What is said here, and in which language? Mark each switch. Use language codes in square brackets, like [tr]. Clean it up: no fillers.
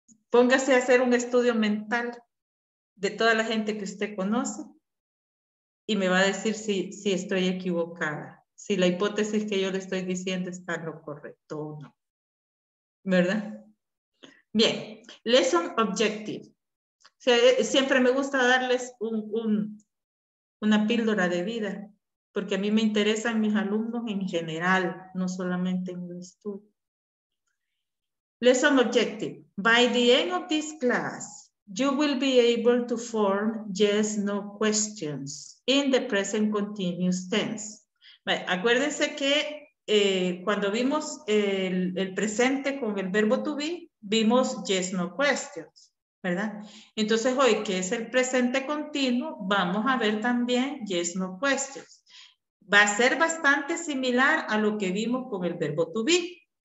[es] Póngase a hacer un estudio mental de toda la gente que usted conoce y me va a decir si estoy equivocada, si la hipótesis que yo le estoy diciendo está lo correcto o no. ¿Verdad? Bien, [en] lesson objective. [es] O sea, siempre me gusta darles una píldora de vida, porque a mí me interesan mis alumnos en general, no solamente en un estudio. [en] Lesson objective. By the end of this class, you will be able to form yes, no questions in the present continuous tense. [es] Bueno, acuérdense que cuando vimos el presente con el verbo to be, vimos yes, no questions, ¿verdad? Entonces hoy, que es el presente continuo, vamos a ver también yes, no questions. Va a ser bastante similar a lo que vimos con el verbo to be.